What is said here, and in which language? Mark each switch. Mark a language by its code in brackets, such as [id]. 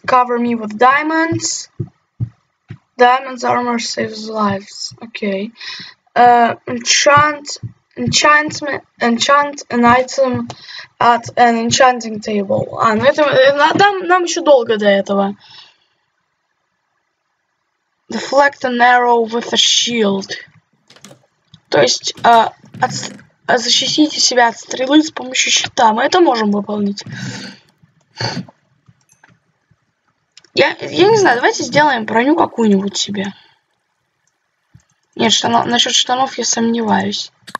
[en] Cover me with diamonds. Diamonds armor saves lives. Окей. Enchant an item at an enchanting table. [ru] А, ну это нам еще долго до этого. [en] Deflect an arrow with a shield. [ru] То есть защитите себя от стрелы с помощью щита. Мы это можем выполнить. Я не знаю, давайте сделаем броню какую-нибудь себе. Нет, насчет штанов я сомневаюсь.